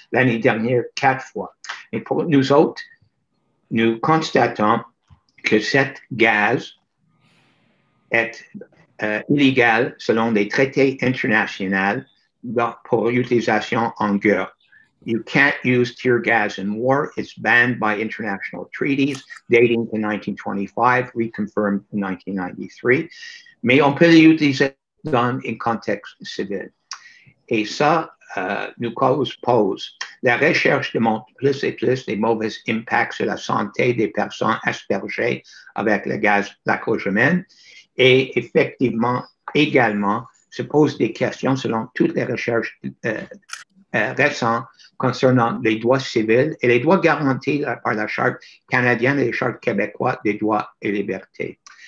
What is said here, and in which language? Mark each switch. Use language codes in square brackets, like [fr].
[fr] L'année dernière, 4 fois. Et pour nous autres, nous constatons que cette gaz est illégal selon des traités internationaux pour utilisation en guerre. [en] You can't use tear gas in war. It's banned by international treaties dating to 1925, reconfirmed in 1993. [fr] Mais on peut l'utiliser dans un contexte civil. Et ça nous pose. La recherche démontre plus et plus les mauvais impacts sur la santé des personnes aspergées avec le gaz lacrymogène et effectivement également se pose des questions selon toutes les recherches récentes concernant les droits civils et les droits garantis par la Charte canadienne et la Charte québécoise des droits et libertés.